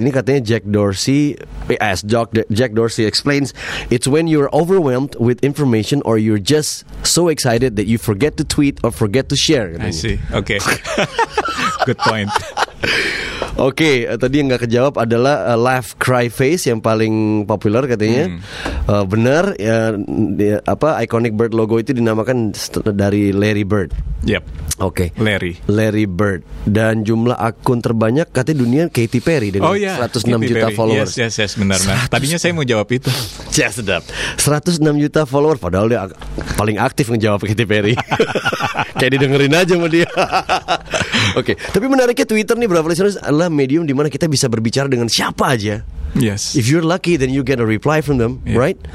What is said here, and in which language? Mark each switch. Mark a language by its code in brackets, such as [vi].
[id] Ini katanya [en] Jack Dorsey, Jack Dorsey explains, it's when you're overwhelmed with information or you're just so excited that you forget to tweet or forget to share. I see. Okay. Good point. [id] Oke, okay, tadi yang gak kejawab adalah [en] laugh cry face [id] yang paling populer katanya. Benar, ya, apa iconic Bird logo itu dinamakan dari Larry Bird. [en] Yep. [id] Oke. [en] Okay. Larry. [id] Larry Bird. Dan jumlah akun terbanyak katanya dunia Katy Perry dengan 106 Katy juta Perry. Followers. [en] Yes, yes, yes, [id] benar. Tadinya saya mau jawab itu. Yes, sedap. 106 juta followers padahal dia paling aktif ngejawab Katy Perry. Kayak didengerin aja sama dia. Oke, okay. Tapi menariknya Twitter nih, Bravo Listeners, adalah medium di mana kita bisa berbicara dengan siapa aja. [en] Yes. If you're lucky, then you get a reply from them, yeah, right?